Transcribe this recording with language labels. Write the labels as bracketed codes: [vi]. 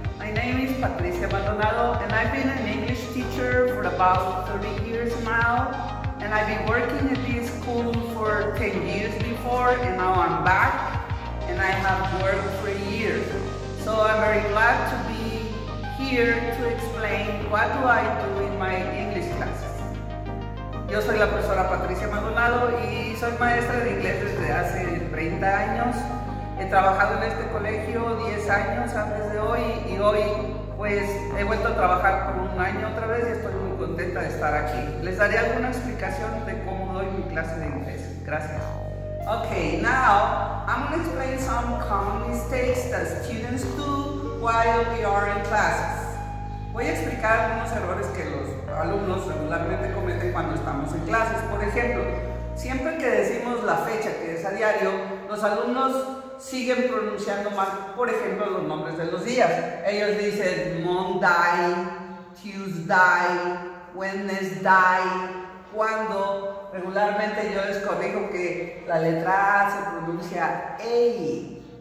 [en] My name is Patricia Maldonado and I've been an English teacher for about 30 years now. And I've been working at this school for 10 years before and now I'm back and I have worked for a year. So I'm very glad to be here to explain what do I do in my English class. [es] Yo soy la profesora Patricia Maldonado y soy maestra de inglés desde hace 30 años. He trabajado en este colegio 10 años antes de hoy y hoy pues he vuelto a trabajar por un año otra vez y estoy muy contenta de estar aquí. Les daré alguna explicación de cómo doy mi clase de inglés. Gracias. [en] Okay, now I'm going to explain some common mistakes that students do while we are in classes. [es] Voy a explicar algunos errores que los alumnos regularmente cometen cuando estamos en clases. Por ejemplo, siempre que decimos la fecha, que es a diario, los alumnos siguen pronunciando mal, por ejemplo, los nombres de los días. Ellos dicen Monday, Tuesday, Wednesday, cuando regularmente yo les corrijo que la letra A se pronuncia A.